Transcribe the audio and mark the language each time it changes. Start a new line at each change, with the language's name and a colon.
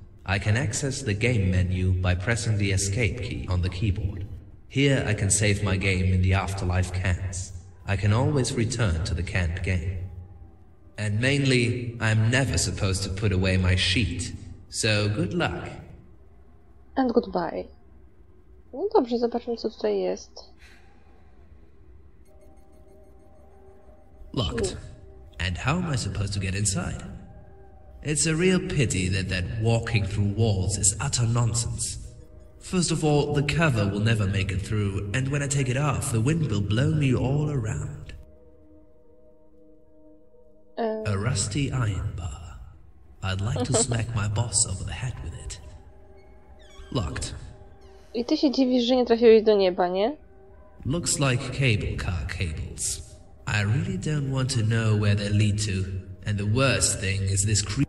English: I can access the game menu by pressing the escape key on the keyboard. Here I can save my game in the afterlife cans. I can always return to the canned game. And mainly, I'm never supposed to put away my sheet. So good luck. And goodbye.
Polish: No dobrze, zobaczmy co tutaj jest.
English: Locked. And how am I supposed to get inside? It's a real pity that walking through walls is utter nonsense. First of all, the cover will never make it through, and when I take it off, the wind will blow me all around. A rusty iron bar. I'd like to smack my boss over the head with it. Locked.
Polish: I ty się dziwisz, że nie trafiłeś do nieba, nie?
English: Looks like cable car cables. I really don't want to know where they lead to, and the worst thing is this